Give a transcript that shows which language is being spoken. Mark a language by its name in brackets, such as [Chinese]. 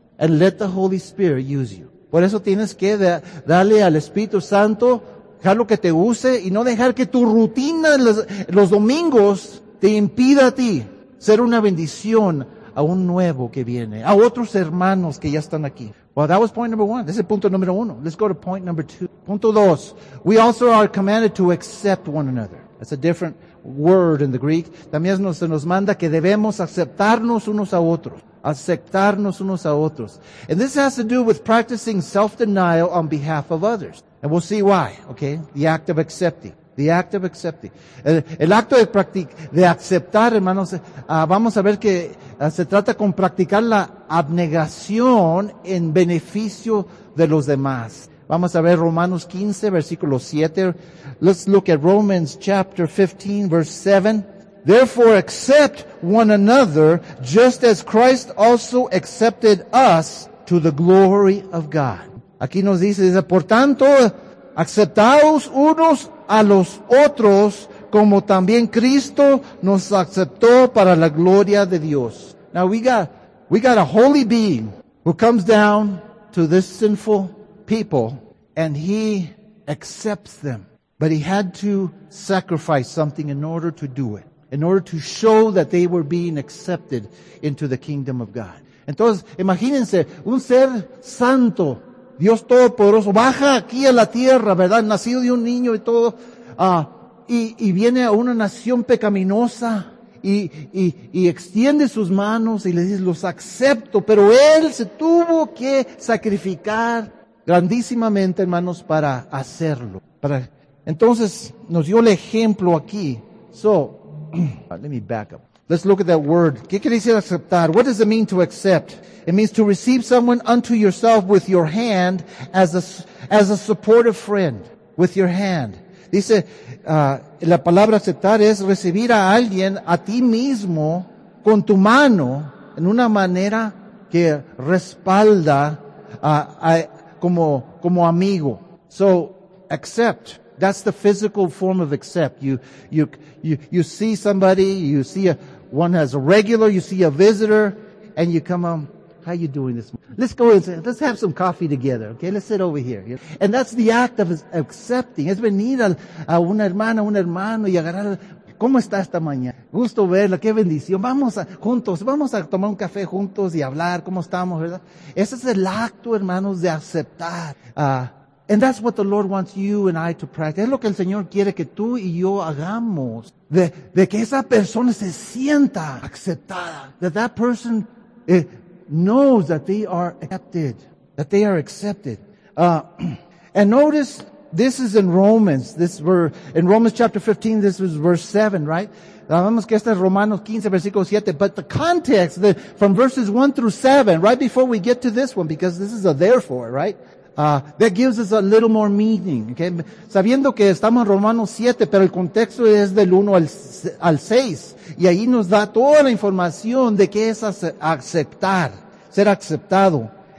[English] And let the Holy Spirit use you. [Spanish] Por eso tienes que darle al Espíritu Santo, dejarlo que te use y no dejar que tu rutina los domingos te impida a ti ser una bendición a un nuevo que viene, a otros hermanos que ya están aquí. [English] Well, that was point number one. [Spanish] Ese es punto número uno. [English] Let's go to point number two. [Spanish] Punto dos. [English] We also are commanded to accept one another. That's a different word in the Greek. [Spanish] También se nos manda que debemos aceptarnos unos a otros. Aceptarnos unos a otros. [English] And this has to do with practicing self-denial on behalf of others. And we'll see why, okay? The act of accepting. The act of accepting. [Spanish] El acto de aceptar, hermanos, vamos a ver que se trata con practicar la abnegación en beneficio de los demás. Vamos a ver Romanos 15, versículo 7. [English] Let's look at Romans chapter 15, verse 7. Therefore accept one another just as Christ also accepted us to the glory of God. Aquí nos dice, por tanto, aceptaos unos a los otros como también Cristo nos aceptó para la gloria de Dios. Now we got a holy being who comes down to this sinful people and he accepts them. But he had to sacrifice something in order to do it. In order to show that they were being accepted into the kingdom of God. [Spanish] Entonces, imagínense, un ser santo, Dios Todopoderoso, baja aquí a la tierra, ¿verdad? Nacido de un niño y todo, y viene a una nación pecaminosa y extiende sus manos y le dice, los acepto. Pero él se tuvo que sacrificar grandísimamente, hermanos, para hacerlo. Entonces, nos dio el ejemplo aquí. [English] So, let me back up. Let's look at that word. [Spanish] ¿Qué quiere decir aceptar? [English] What does it mean to accept? It means to receive someone unto yourself with your hand as a supportive friend. With your hand. [Spanish] Dice, la palabra aceptar es recibir a alguien a ti mismo con tu mano en una manera que respalda como amigo. [English] So, accept. That's the physical form of accept. You see somebody, you see one as a regular, you see a visitor, and you come home. How you doing this morning? Let's go and say, let's have some coffee together. Okay, let's sit over here. And that's the act of accepting. [Spanish] Es venir a una hermana, un hermano, y agarrar, ¿cómo está esta mañana? Gusto verla, qué bendición. Vamos a tomar un café juntos y hablar, ¿cómo estamos? ¿Verdad? Ese es el acto, hermanos, de aceptar. [English] And that's what the Lord wants you and I to practice. [Spanish] Es lo que el Señor quiere que tú y yo hagamos. De que esa persona se sienta aceptada. [English] That person knows that they are accepted. That they are accepted. And notice, this is in Romans. In Romans chapter 15, this was verse 7, right? Sabemos que este es Romanos 15, versículo 7. But the context, from verses 1 through 7, right before we get to this one, because this is a therefore, right? That gives us a little more meaning. Okay? [Spanish] Sabiendo que estamos en Romanos 7, pero el contexto es del 1 al 6. Y ahí nos da toda la información de qué es aceptar, ser aceptado.